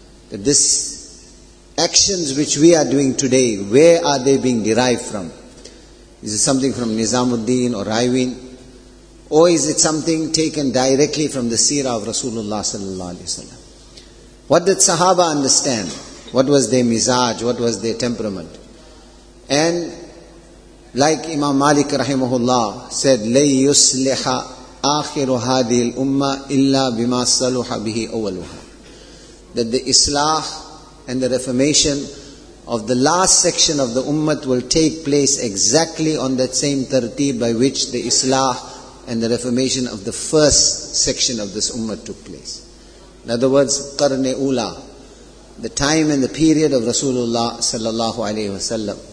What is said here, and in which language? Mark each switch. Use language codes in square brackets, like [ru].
[en] That this actions which we are doing today, where are they being derived from? Is it something from Nizamuddin or Raiwin? Or is it something taken directly from the seerah of Rasulullah sallallahu alayhi wasallam? What did Sahaba understand? What was their mizaj? What was their temperament? And like Imam Malik rahimahullah said, [ar] لَيْ يُسْلِحَ آخِرُ هَذِي الْأُمَّةِ إِلَّا بِمَا صَلُحَ بِهِ أَوَّلُهَا. [en] That the islah and the reformation of the last section of the ummah will take place exactly on that same tartib by which the islah and the reformation of the first section of this ummah took place. In other words, [ar] قَرْنِ أُولَى, [en] the time and the period of Rasulullah sallallahu alayhi wa sallam.